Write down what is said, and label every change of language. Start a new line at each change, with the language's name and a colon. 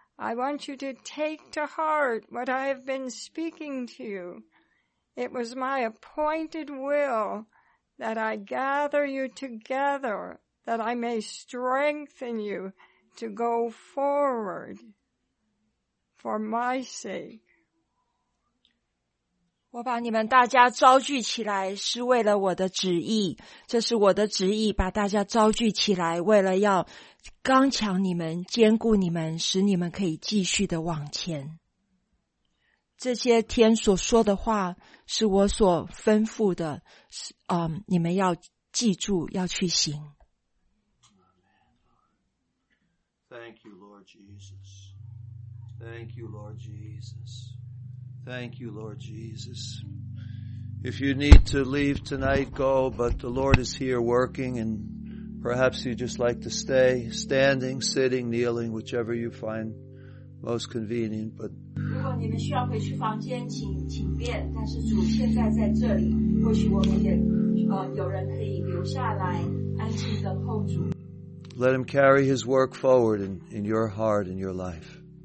English: I want you to take to heart what I have been speaking to you. It was my appointed will that I gather you together, that I may strengthen you to go forward for my sake.
Chinese: 我把你们大家召聚起来是为了我的旨意，这是我的旨意，把大家召聚起来为了要刚强你们，坚固你们，使你们可以继续的往前。这些天所说的话是我所吩咐的，你们要记住，要去行。
English: Thank you, Lord Jesus. Thank you, Lord Jesus. Thank you, Lord Jesus. If you need to leave tonight, go, but the Lord is here working, and perhaps you'd just like to stay standing, sitting, kneeling, whichever you find most convenient, but...
Chinese: 如果你们需要回去房间，请便，但是主现在在这里，或许我们也有人可以留下来安静的候主。
English: Let him carry his work forward in your heart, in your life.